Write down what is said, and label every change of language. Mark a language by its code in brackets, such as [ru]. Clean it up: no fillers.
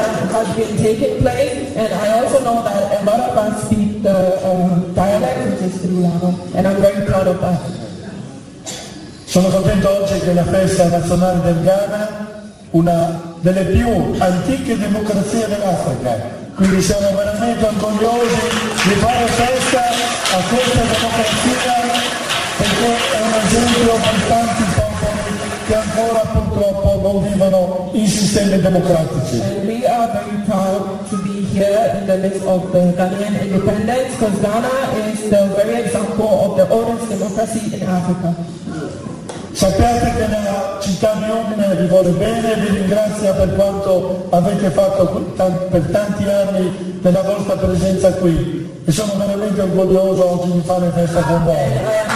[en] Has been taking place, and I also know that a lot of us speak the dialect, which is friulano, and I'm very proud of that. [it] Sono contento oggi che la festa nazionale del Ghana, una delle più antiche democrazie dell'Africa, quindi siamo veramente orgogliosi di fare festa a questa democrazia perché è un esempio per tanti popoli che ancora purtroppo non vivono in sistemi democratici. [en] And we are very proud to be here in the midst of the Ghanaian independence because Ghana is the very example of the oldest democracy in Africa. [it] Sappiate che nella città di Udine vi vuole bene, vi ringrazia per quanto avete fatto per tanti anni della vostra presenza qui e sono veramente orgoglioso oggi di fare festa con voi.